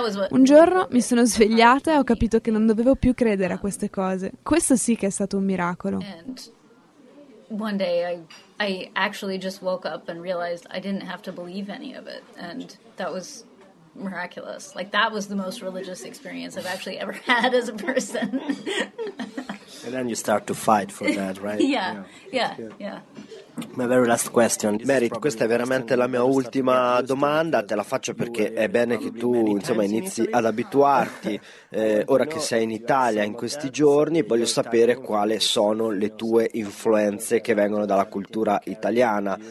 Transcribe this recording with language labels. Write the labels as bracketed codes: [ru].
[it] Un giorno mi sono svegliata e ho capito che non dovevo più credere a queste cose. Questo sì che è stato un miracolo. [en] One day I actually just woke up and realized I didn't have to believe any of it, and that was miraculous. Like, that was the most religious experience I've actually ever had as a person. And then you start to fight for that, right? Yeah. My very last question. [it] Mary, questa è veramente la mia ultima domanda. Te la faccio perché è bene che tu, insomma, inizi ad abituarti. Ora che sei in Italia in questi giorni, voglio sapere quali sono le tue influenze che vengono dalla cultura italiana.